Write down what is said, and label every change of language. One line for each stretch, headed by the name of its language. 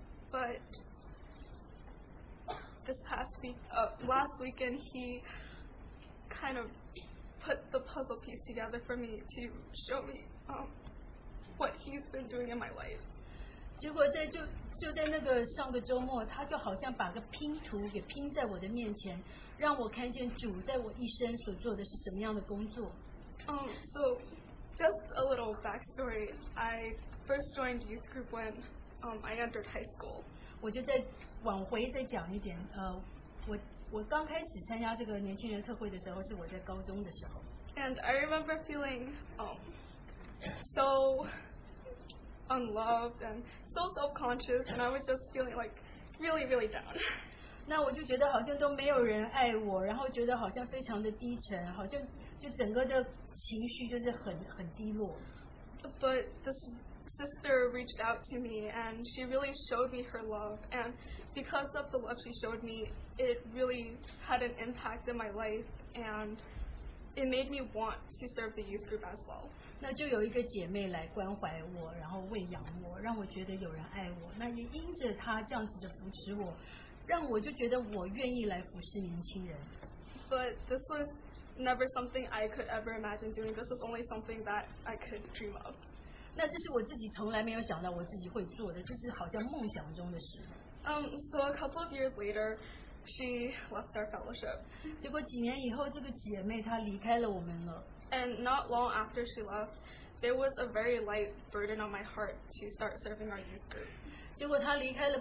English: But this past week, last weekend, he kind of put the puzzle piece together for me to show me what he's been doing in my life.
Chinese: 结果在就在那个上个周末，他就好像把个拼图给拼在我的面前，让我看见主在我一生所做的是什么样的工作。
English: So just a little backstory, I first joined youth group when I entered high school.
Chinese: 我就再往回再讲一点，我刚开始参加这个年轻人特会的时候是我在高中的时候。
English: And I remember feeling so unloved and so self-conscious, and I was just feeling like really, really down.
Chinese: 那我就觉得好像都没有人爱我，然后觉得好像非常的低沉，好像就整个的情绪就是很低落。
English: But this sister reached out to me, and she really showed me her love. And because of the love she showed me, it really had an impact in my life, and it made me want to serve the youth group as well.
Chinese: 那就有一个姐妹来关怀我，然后喂养我，让我觉得有人爱我。那也因着她这样子的扶持我，让我就觉得我愿意来服侍年轻人。
English: But this was never something I could ever imagine doing. This was only something that I could dream of.
Chinese: 那这是我自己从来没有想到我自己会做的，就是好像梦想中的事。
English: So a couple of years later, she left our fellowship.
Chinese: 结果几年以后，这个姐妹她离开了我们了。
English: And not long after she left, there was a very light burden on my heart to start serving our youth group.